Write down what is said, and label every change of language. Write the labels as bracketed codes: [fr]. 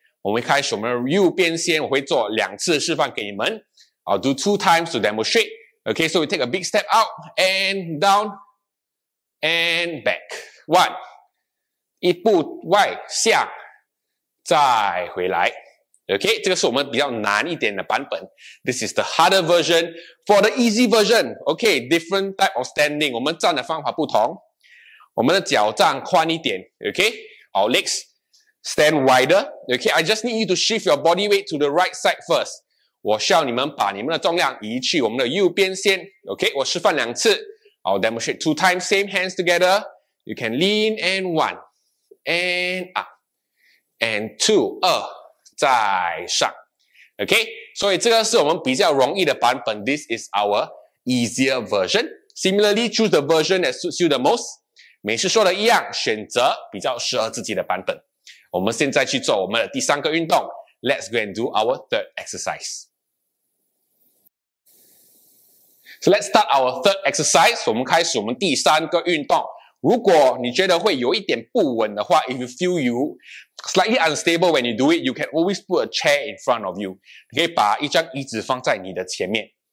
[zh] 我们开始我们的右边先，我会做两次示范给你们。 [en] I'll do two times to demonstrate. Okay, so we take a big step out and down and back. [zh] One, 一步外下。再回来 ，OK， 这个是我们比较难一点的版本。 [en] This is the harder version. For the easy version, OK, different type of standing. [zh] 我们站的方法不同，我们的脚站宽一点 ，OK. [en] Our legs stand wider, OK. I just need you to shift your body weight to the right side first. [zh] 我需要你们把你们的重量移去我们的右边先 ，OK. 我示范两次 [en] ，I'll demonstrate two times. Same hands together. You can lean and one and up. And two, [zh] 二再上 [en] ，OK。 [zh] 所以这个是我们比较容易的版本 ， [en] This is our easier version. Similarly, choose the version that suits you the most. [zh] 每次说的一样，选择比较适合自己的版本。我们现在去做我们的第三个运动 ， [en] Let's go and do our third exercise. So let's start our third exercise. [zh] 我们开始我们第三个运动。如果你觉得会有一点不稳的话 [en] ，if you feel you slightly unstable when you do it, you can always put a chair in front of you. [zh] 你可以把一张椅子放在你的前面。